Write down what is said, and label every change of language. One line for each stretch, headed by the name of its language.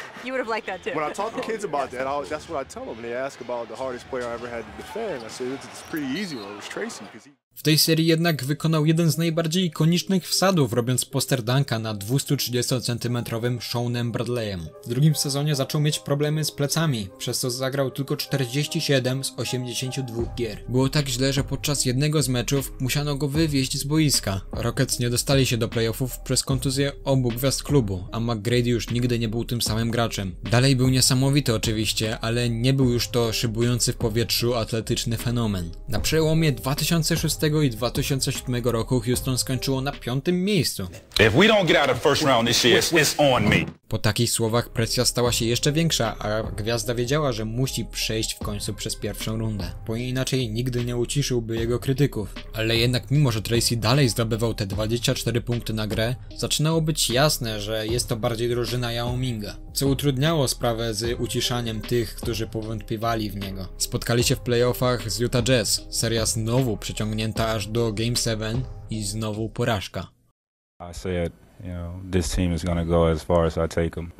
English: You would have liked that too. When I talk to kids about that, that's what I tell them. They ask about the hardest player I ever had to defend. I said, it's a pretty easy one. It was Tracy.
Polish: W tej serii jednak wykonał jeden z najbardziej ikonicznych wsadów, robiąc poster dunka nad 230-centymetrowym Seanem Bradleyem. W drugim sezonie zaczął mieć problemy z plecami, przez co zagrał tylko 47 z 82 gier. Było tak źle, że podczas jednego z meczów musiano go wywieźć z boiska. Rockets nie dostali się do playoffów przez kontuzję obu gwiazd klubu, a McGrady już nigdy nie był tym samym graczem. Dalej był niesamowity oczywiście, ale nie był już to szybujący w powietrzu atletyczny fenomen. Na przełomie 2006 i 2007 roku Houston skończyło na 5. miejscu.
English: If we don't get out of first round this year, it's on me.
Polish: Po takich słowach presja stała się jeszcze większa, a gwiazda wiedziała, że musi przejść w końcu przez pierwszą rundę, bo inaczej nigdy nie uciszyłby jego krytyków. Ale jednak mimo, że Tracy dalej zdobywał te 24 punkty na grę, zaczynało być jasne, że jest to bardziej drużyna Yao Minga, co utrudniało sprawę z uciszaniem tych, którzy powątpiewali w niego. Spotkali się w playoffach z Utah Jazz, seria znowu przeciągnięta aż do Game 7 i znowu porażka.
English: I said, you know, this team is gonna go as far as I take them.